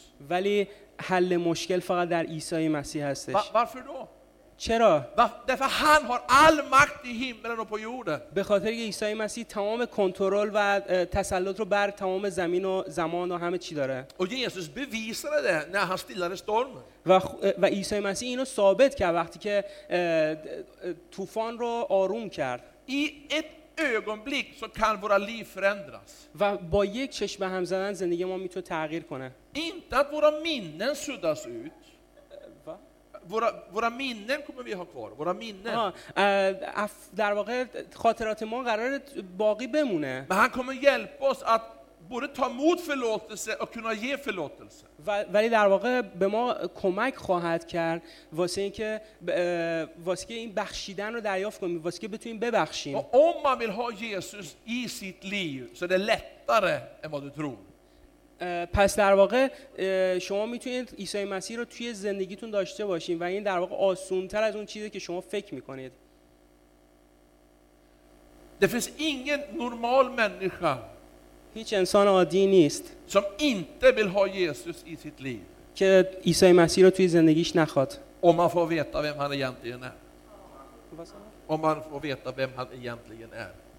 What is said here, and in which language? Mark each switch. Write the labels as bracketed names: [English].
[Persian] ولی حل مشکل فقط در عیسی مسیح هستش. [Swedish] Varför då? [Persian] چرا؟ [Swedish] Därför han har all makt i himlen och på jorden. [Persian] به خاطر اینکه عیسی مسیح تمام کنترل و تسلط رو بر تمام زمین و زمان و همه چی داره. [Swedish] Jesus bevisade det när han stillade stormen. [Persian] و عیسی مسیح اینو ثابت کرد وقتی که طوفان رو آروم کرد. [Swedish] I ett ögonblick så kan våra liv förändras. [Persian] و با یک چشم هم زدن زندگی ما میتونه تغییر کنه. [Swedish] Inte att våra minnen suddas ut. Va? Våra minnen kommer vi ha kvar. Våra minnen. [Persian] در واقع خاطرات ما قرار باقی بمونه. [Swedish] Men han kommer hjälpa oss att både ta emot förlåtelse och kunna ge förlåtelse. [Persian] ولی در واقع به ما کمک خواهد کرد واسه اینکه این بخشیدن رو دریافت کنیم واسه اینکه بتونیم ببخشیم. [Swedish] Om man vill ha Jesus i sitt liv så det är lättare än vad du tror. [Persian] پس در واقع شما میتونید عیسی مسیح رو توی زندگیتون داشته باشین و این در واقع آسان‌تر از اون چیزی که شما فکر میکنید. [Swedish] Det finns ingen normal människa. [Persian] هیچ انسان عادی نیست. [Swedish] Som inte vill ha Jesus i sitt liv. [Persian] که عیسی مسیح رو توی زندگیش نخواد. [Swedish] Om man får veta vem han egentligen är. Om man får veta vem han egentligen är.